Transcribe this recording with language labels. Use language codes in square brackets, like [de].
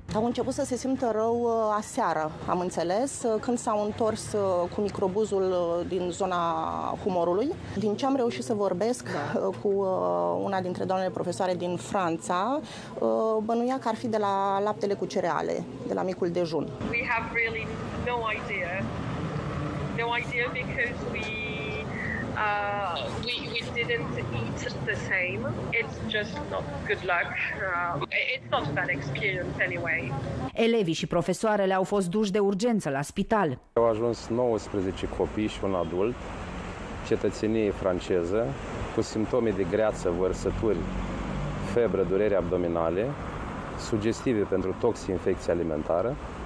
[ro] Au început să se simtă rău aseară, am înțeles, când s-au întors cu microbuzul din zona humorului. Din ce am reușit să vorbesc cu una dintre doamnele profesoare din Franța, bănuia că ar fi de la laptele cu cereale, de la micul dejun. [en] We have really no idea. No idea because we didn't eat the same. It's just not good luck. It's not a bad experience anyway. [ro] Elevii și profesoarele au fost duși de urgență la spital. Au ajuns 19 copii și un adult, cetățenie franceză, cu simptome de greață, vărsături, febră, dureri abdominale, sugestive pentru toxi-infecție alimentară.